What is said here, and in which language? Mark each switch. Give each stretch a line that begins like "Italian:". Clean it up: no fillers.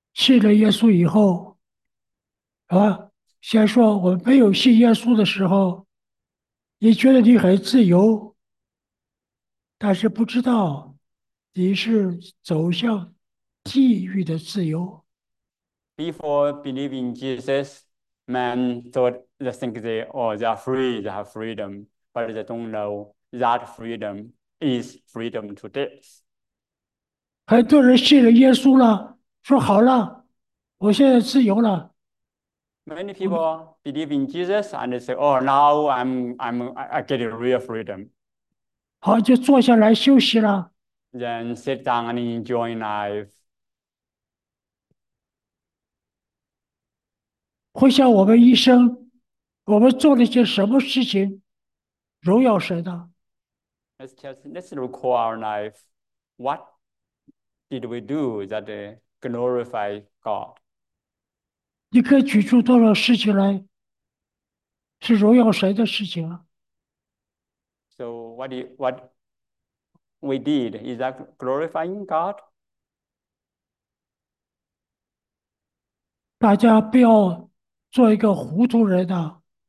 Chinese: 所以当我们信了耶稣以后, 先说我们没有信耶稣的时候, 你觉得你很自由, 但是不知道, 你是走向地狱的自由。
English: Before believing Jesus, man thought they think they, oh, they are free, they have freedom, but they don't know that freedom is freedom to death.
Chinese: 很多人信了耶稣了，说好了，我现在自由了。
English: Many people believe in Jesus and they say, oh, now I get a real freedom.
Chinese: 好，就坐下来休息了。
English: Then sit down and enjoy life.
Chinese: 回想我们一生, 我们做了些什么事情, 荣耀神的。
English: Let's recall our life. What did we do that glorify God?
Chinese: 你可以举出多少事情来, 是荣耀神的事情啊。
English: So what we did, is that glorifying God?
Chinese: 大家不要做一个糊涂人啊。